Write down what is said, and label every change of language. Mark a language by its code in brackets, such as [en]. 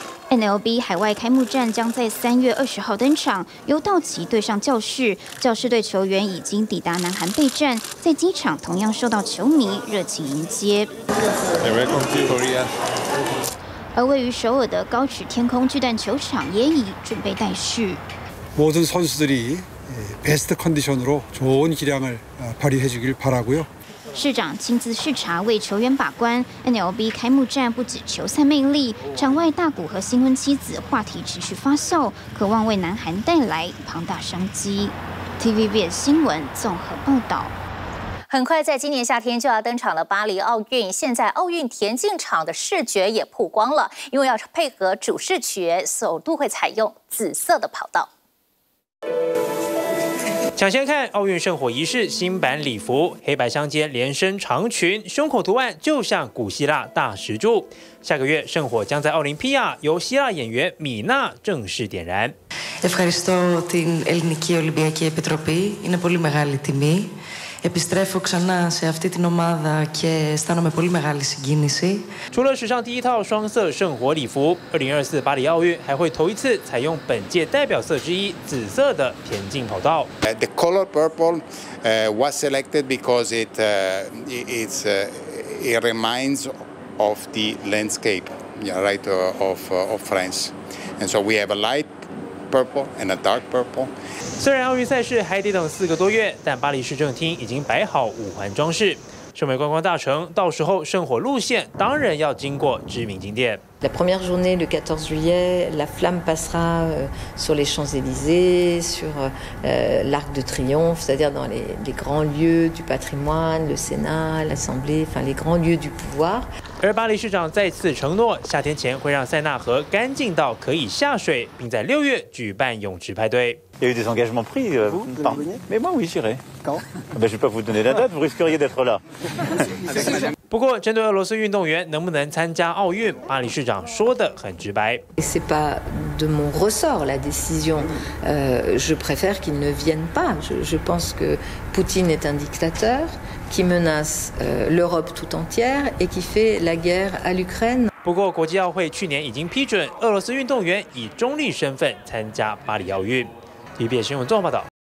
[zh] NLB 海外开幕战将在3月20号登场，由道奇对上教室。教室队球员已经抵达南韩备战，在机场同样受到球迷热情迎接。而位于首尔的高尺天空巨蛋球场也已准备待续。 [ko] 모든선수들이베스트컨디션으로좋은기량을발휘해주길바라고요 [zh] 市长亲自视察，为球员把关。 NLB 开幕战不止球赛魅力，场外大谷和新婚妻子话题持续发酵，渴望为南韩带来庞大商机。 TVBS 新闻综合报道。很快在今年夏天就要登场的巴黎奥运，现在奥运田径场的视觉也曝光了，因为要配合主视觉，首度会采用紫色的跑道。抢先看奥运圣火仪式新版礼服，黑白相间连身长裙，胸口图案就像古希腊大石柱。下个月圣火将在奥林匹亚由希腊演员米娜正式点燃。 [el] Ευχαριστώ την Ελληνική Ολυμπιακή Επιτροπή. Είναι πολύ μεγάλη τιμή. Επιστρέφω ξανά σε αυτή την ομάδα και αισθάνομαι πολύ μεγάλη συγκίνηση. [zh] 除了史上第一套双色圣火礼服，2024巴黎奥运还会头一次采用本届代表色之一紫色的田径跑道。 [en] The color purple was selected because it reminds of the landscape, right, of France. And so we have a light. Purple and a dark purple. [zh] 虽然奥运赛事还得等4个多月，但巴黎市政厅已经摆好五环装饰。身为观光大城，到时候圣火路线当然要经过知名景点。 [fr] La première journée, le 14 juillet, la flamme passera sur les Champs-Élysées, sur l'Arc de Triomphe, c'est-à-dire dans les grands lieux du patrimoine, le Sénat, l'Assemblée, enfin les grands lieux du pouvoir. [zh] 而巴黎市长再次承诺，夏天前会让塞纳河干净到可以下水，并在6月举办泳池派对。 [fr] Il y a eu des engagements pris, vous, pardon. Vous Mais moi, oui, j'irai. Quand? Ben, je ne vais pas vous donner la date, vous risqueriez d'être là. [zh] 不过，针对俄罗斯运动员能不能参加奥运，巴黎市长说得很直白。 [fr] C'est pas de mon ressort la décision. Je préfère qu'ils ne viennent pas. Je pense que Poutine est un dictateur qui menace l'Europe tout entière et qui fait la guerre à l'Ukraine. [zh] 不过，国际奥会去年已经批准俄罗斯运动员以中立身份参加巴黎奥运。TVBS 新闻综合报道。